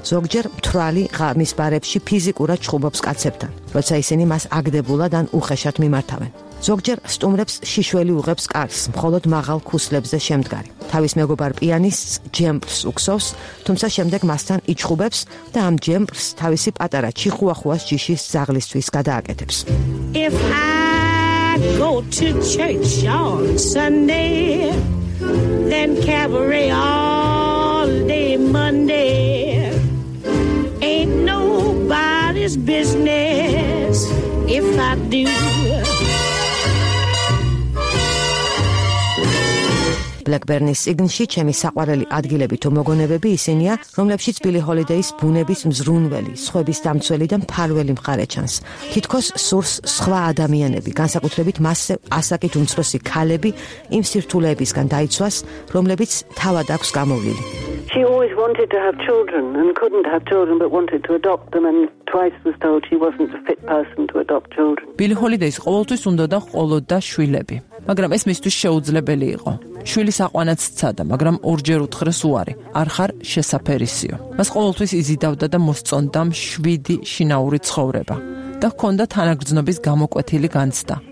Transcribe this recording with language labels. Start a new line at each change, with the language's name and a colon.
Georgian: ზოგჯერ მთვრალი ღამის ბარებში ფიზიკურად ჩხუბობს კაცებთან, როცა ისინი მას აგდებულად ან უხეშად მიმართავენ. ზოგჯერ სტუმრებს შიშველი უღებს კარს, მხოლოდ მაღალ ქუსლებზე შემდგარი. თავის მეგობარ პიანისტს ჯემპს უქსოვს, თუმცა შემდეგ მასთან იჩხუბებს და ამ ჯემპს თავისი პატარა ჩიხუახუას ჯიშის ზაღლისთვის გადააკეთებს.
English: If I go to church on Sunday, then cabaret all day Monday. Ain't nobody's business if I do.
Georgian: Blackburn-ის წიგნში ჩემი საყვარელი ადგილები თუ მოგონებები ისინია, რომლებშიც Billie Holiday-ის ბუნების მზრუნველი, სხვების დამცველი და მფარველი მხარე ჩანს. თითქოს სურს სხვა ადამიანები, განსაკუთრებით მასზე ასაკით უმცროსი ქალები, იმ სირთულეებისგან დაიცვას, რომლებიც თავად აქვს გამოვლილი.
English: She always wanted to have children and couldn't have children but wanted to adopt them and twice was told she wasn't a fit person to adopt children.
Georgian: Billie Holiday-ს ყოველთვის უნდა და ყოლოდა შვილები, მაგრამ ეს მისთვის შეუძლებელი იყო. შვილის აყვანაც ცადა, მაგრამ ორჯერ უთხრეს უარი, არ ხარ შესაფერისიო. მას ყოველთვის იზიდავდა და მოსწონდა შვიდი შინაური ცხოვრება და ჰქონდა თანაგრძნობის გამოკვეთილი განცდა.